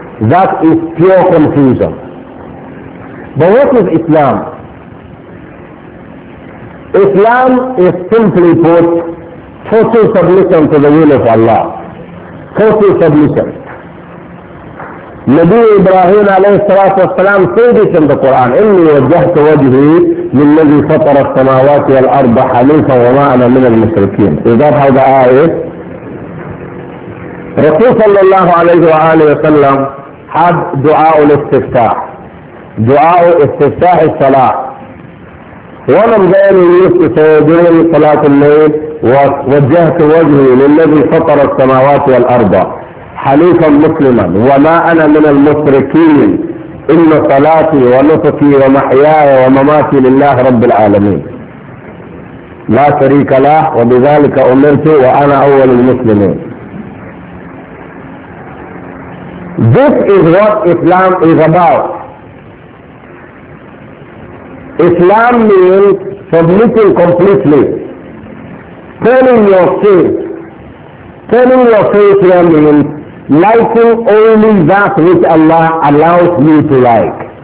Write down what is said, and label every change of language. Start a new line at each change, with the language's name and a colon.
English: That is pure confusion. But what is Islam? Islam is simply put total submission to the will of Allah. Total submission. Nabi Ibrahim alayhi salatu wasalam said it in the Quran,
Arabic: إِنِّي وَجَّهْتُ وَجْهِي لِلَّذِي فَطَرَ السَّمَاوَاتِ وَالْأَرْضَ حَنِيفًا وَمَا أَنَا مِنَ الْمُشْرِكِينَ.
English: Is that how the ayah is? Rasul sallallahu alayhi wa alayhi wa sallam had dua al-istiftah. Dua al-istiftah al-salah. One of them he used to say during Salatul Layl,
Arabic: وَجَّهْتُ وَجْهِي لِلَّذِي فَطَرَ السَّمَاوَاتِ وَالْأَرْضَ حنيفا مسلما وما انا من المشركين ان صلاتي ونصفي ومحياي ومماتي لله رب العالمين لا شريك له وبذلك امرت وانا اول المسلمين.
English: This is what Islam is about. Islam means submitting completely, turning your faith here means liking only that which Allah allows me to like.